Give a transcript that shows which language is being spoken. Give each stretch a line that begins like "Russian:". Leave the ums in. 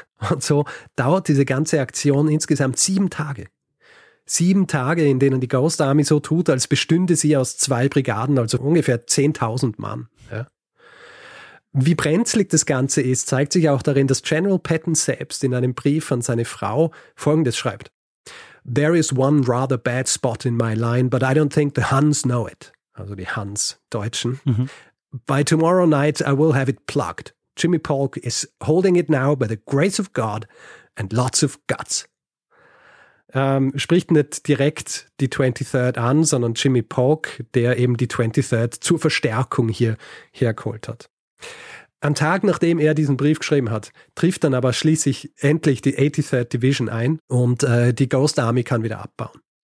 German: Und so dauert diese ganze Aktion insgesamt sieben Tage. Sieben Tage, in denen die Ghost Army so tut, als bestünde sie aus zwei Brigaden, also ungefähr 10.000 Mann. Ja. Wie brenzlig das Ganze ist, zeigt sich auch darin, dass General Patton selbst in einem Brief an seine Frau Folgendes schreibt.
English: There is one rather bad spot in my line, but I don't think the Huns know it.
German: Also die Huns, Deutschen. Mhm.
English: By tomorrow night I will have it plugged. Jimmy Polk is holding it now by the grace of God and lots of guts.
German: Ähm, spricht nicht direkt die 23rd an, sondern Jimmy Polk, der eben die 23rd zur Verstärkung hier hergeholt hat. Am Tag, nachdem er diesen Brief geschrieben hat, trifft dann aber schließlich endlich die 83rd Division ein und äh, die Ghost Army kann wieder abbauen.